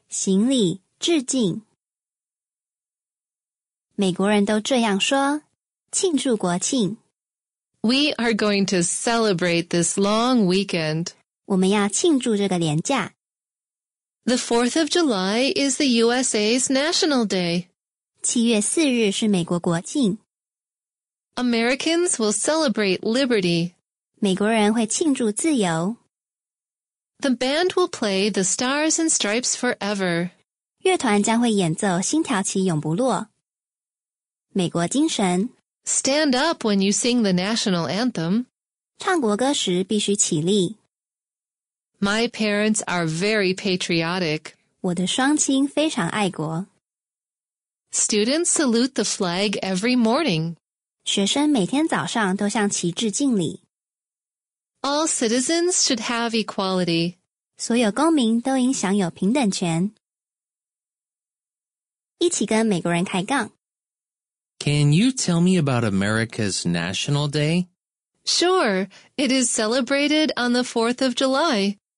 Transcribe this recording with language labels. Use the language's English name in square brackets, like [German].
[Chinese] 行礼致敬美国人都这样说庆祝国庆 [English] We are going to celebrate this long weekend. [Chinese] 我们要庆祝这个连假 [English] The 4th of July is the USA's National Day. [Chinese] 7月4日是美国国庆 [English] Americans will celebrate liberty. [Chinese] 美国人会庆祝自由 [English] The band will play the Stars and Stripes forever. [Chinese] 乐团将会演奏星条旗永不落美国精神 [English] Stand up when you sing the national anthem. [Chinese] 唱国歌时必须起立。 [English] My parents are very patriotic. [Chinese] 我的双亲非常爱国。 [English] Students salute the flag every morning. [Chinese] 学生每天早上都向旗帜敬礼。 [English] All citizens should have equality. [Chinese] 所有公民都应享有平等权。一起跟美国人开杠。 [English] Can you tell me about America's National Day? Sure, it is celebrated on the 4th of July.